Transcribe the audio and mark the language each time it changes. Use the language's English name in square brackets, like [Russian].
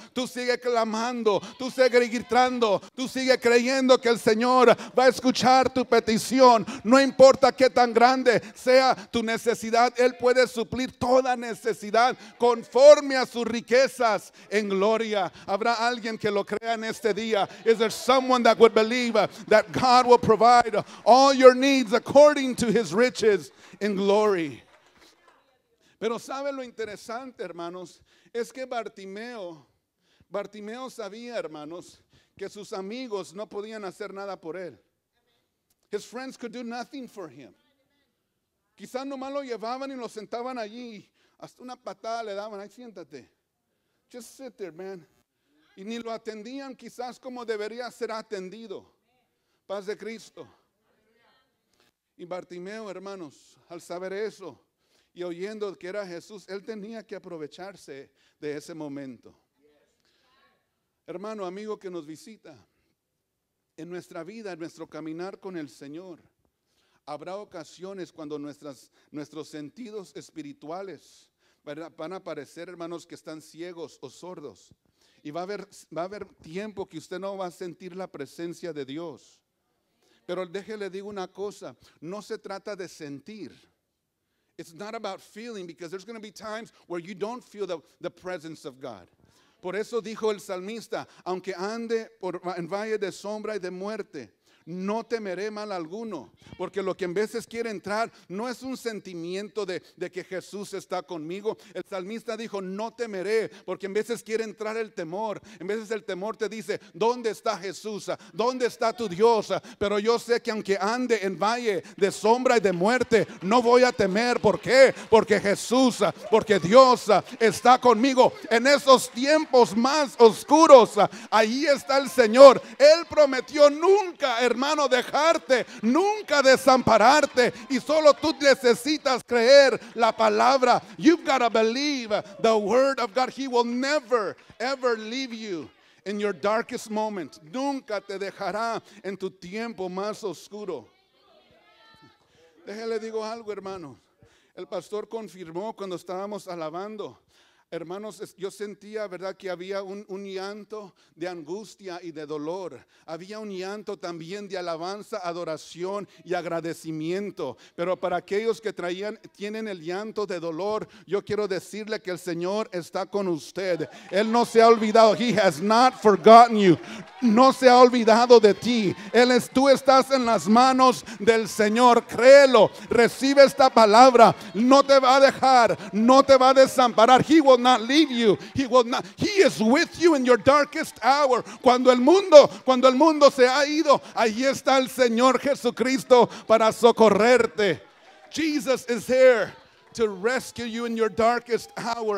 [Spanish] Tú sigue clamando, tú sigue gritando, tú sigue creyendo que el Señor va a escuchar tu petición. No importa qué tan grande sea tu necesidad, Él puede suplir toda necesidad conforme a sus riquezas en gloria. ¿Habrá alguien que lo crea en este día? [English] Is there someone that would believe that God will provide all your needs according to His riches in glory? [Spanish] Pero ¿sabe lo interesante, hermanos? Es que Bartimeo sabía, hermanos, que sus amigos no podían hacer nada por él. [English] His friends could do nothing for him. [Spanish] Quizás nomás lo llevaban y lo sentaban allí. Hasta una patada le daban. Ay, siéntate. [English] Just sit there, man. [Spanish] Y ni lo atendían quizás como debería ser atendido. Paz de Cristo. Y Bartimeo, hermanos, al saber eso, y oyendo que era Jesús, él tenía que aprovecharse de ese momento. Hermano, amigo que nos visita, en nuestra vida, en nuestro caminar con el Señor, habrá ocasiones cuando nuestros sentidos espirituales van a parecer, hermanos, que están ciegos o sordos. Y va a haber tiempo que usted no va a sentir la presencia de Dios. Pero déjele digo una cosa, no se trata de sentir. [English] It's not about feeling, because there's going to be times where you don't feel the presence of God. [Spanish] Por eso dijo el salmista, aunque ande en valle de sombra y de muerte, no temeré mal alguno. Porque lo que en veces quiere entrar no es un sentimiento de que Jesús está conmigo. El salmista dijo: no temeré. Porque en veces quiere entrar el temor. En veces el temor te dice: ¿dónde está Jesús? ¿Dónde está tu Dios? Pero yo sé que aunque ande en valle de sombra y de muerte, no voy a temer. ¿Por qué? Porque Jesús, porque Dios está conmigo. En esos tiempos más oscuros, ahí está el Señor. Él prometió nunca hermano, dejarte, nunca desampararte. Y solo tú necesitas creer la palabra. [English] You've got to believe the word of God. He will never, ever leave you in your darkest moment. [Spanish] Nunca te dejará en tu tiempo más oscuro. Déjale, digo algo, hermano. El pastor confirmó cuando estábamos alabando. Hermanos, yo sentía, ¿verdad?, que había un llanto de angustia y de dolor. Había un llanto también de alabanza, adoración y agradecimiento. Pero para aquellos que tienen el llanto de dolor, yo quiero decirle que el Señor está con usted. Él no se ha olvidado. [English] He has not forgotten you. [Spanish] No se ha olvidado de ti. Tú estás en las manos del Señor. Créelo. Recibe esta palabra. No te va a dejar. No te va a desamparar. [English] He will not leave you. He will not. He is with you in your darkest hour. [Spanish] Cuando el mundo se ha ido, ahí está el Señor Jesucristo para socorrerte. [English] Jesus is here to rescue you in your darkest hour.